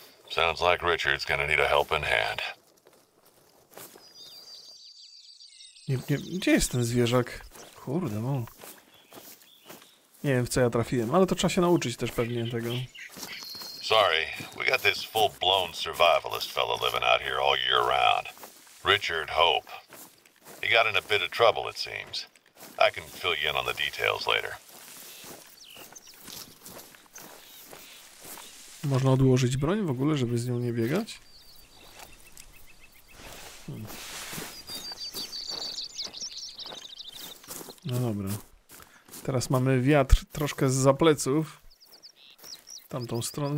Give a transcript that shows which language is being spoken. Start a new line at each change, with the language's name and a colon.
English: Sounds like Richard's gonna need a helping hand.
Polish: Nie, nie, gdzie jest ten zwierzak? Kurde, mol. Nie wiem, w co ja trafiłem, ale to trzeba się nauczyć też pewnie tego.
English: Sorry, we got this full-blown survivalist fellow living out here all year round. Richard Hope. He got in a bit of trouble, it seems. I can fill you in on the details later.
Polish: Można odłożyć broń w ogóle, żeby z nią nie biegać? No dobra. Teraz mamy wiatr troszkę zza pleców. Tamtą stronę.